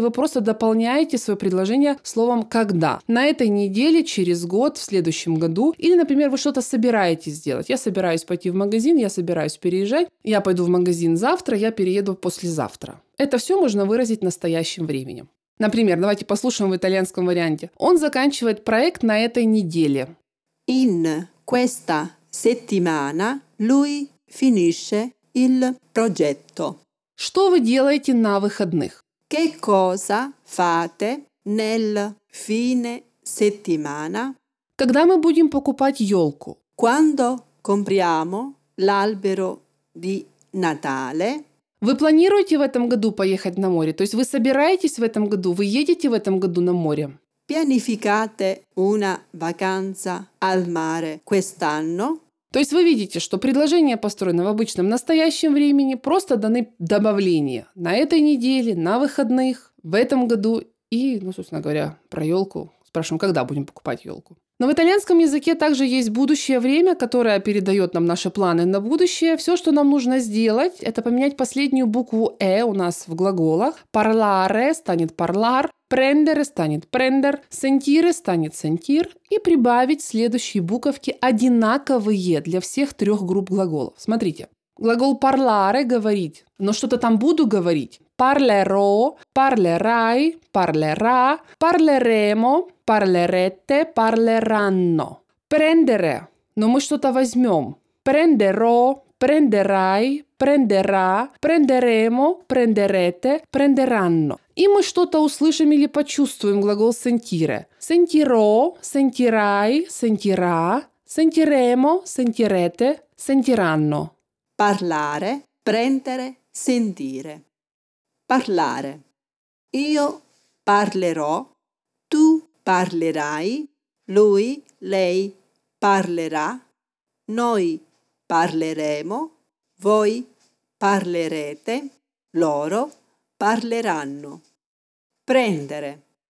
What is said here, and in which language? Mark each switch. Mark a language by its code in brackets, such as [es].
[ru] Вы просто дополняете свое предложение словом «когда». На этой неделе, через год, в следующем году. Или, например, вы что-то собираетесь сделать. Я собираюсь пойти в магазин, я собираюсь переезжать. Я пойду в магазин завтра, я перееду послезавтра. Это все можно выразить настоящим временем. Например, давайте послушаем в итальянском варианте. Он заканчивает проект на этой неделе. [it] In questa settimana lui finisce il progetto. [ru] Что вы делаете на выходных? [it] Che cosa fate nel fine settimana? [ru] Когда мы будем покупать елку? [it] Quando compriamo l'albero di Natale? [ru] Вы планируете в этом году поехать на море? То есть вы собираетесь в этом году? Вы едете в этом году на море? [it] Pianificate una vacanza al mare quest'anno? [ru] То есть вы видите, что предложения построены в обычном настоящем времени, просто даны добавления на этой неделе, на выходных, в этом году и, ну, собственно говоря, про елку. Спрашиваем, когда будем покупать елку? Но в итальянском языке также есть будущее время, которое передает нам наши планы на будущее. Все, что нам нужно сделать, это поменять последнюю букву «э» у нас в глаголах. «Parlare» станет «parlar», «prendere» станет «prender», «sentire» станет «sentir» и прибавить следующие буковки одинаковые для всех трех групп глаголов. Смотрите, глагол «parlare» — «говорить», но что-то там «буду говорить». [it] Parlerò, parlerai, parlerà, parleremo, parlerete, parleranno. [ru] Prendere, но мы что-то возьмем. [it] Prenderò, prenderai, prenderà, prenderemo, prenderete, prenderanno. [ru] И мы что-то услышим или почувствуем глагол sentire. [it] Sentirò, sentirai, sentirà, sentiremo, sentirete, sentiranno. Parlare, prendere, sentire. Parlare. Io parlerò, tu parlerai, lui, lei parlerà, noi parleremo, voi parlerete, loro parleranno. Prendere.